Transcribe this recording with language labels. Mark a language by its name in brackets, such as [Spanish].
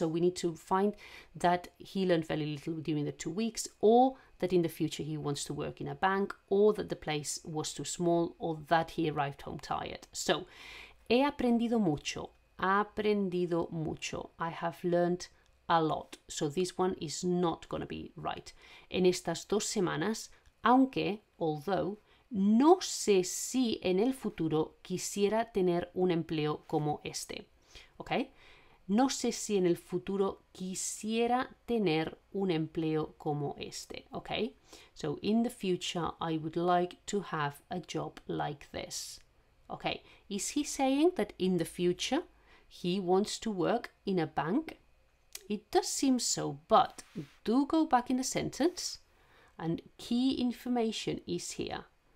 [English] So we need to find that he learned very little during the 2 weeks, or that in the future he wants to work in a bank, or that the place was too small, or that he arrived home tired. [Spanish] So, he aprendido mucho. Aprendido mucho. [English] I have learned a lot. So this one is not going to be right. [Spanish] En estas 2 semanas, aunque, although, no sé si en el futuro quisiera tener un empleo como este. Okay? No sé si en el futuro quisiera tener un empleo como este. Okay? [English] So, in the future, I would like to have a job like this. Okay? Is he saying that in the future he wants to work in a bank? It does seem so, but do go back in the sentence and key information is here.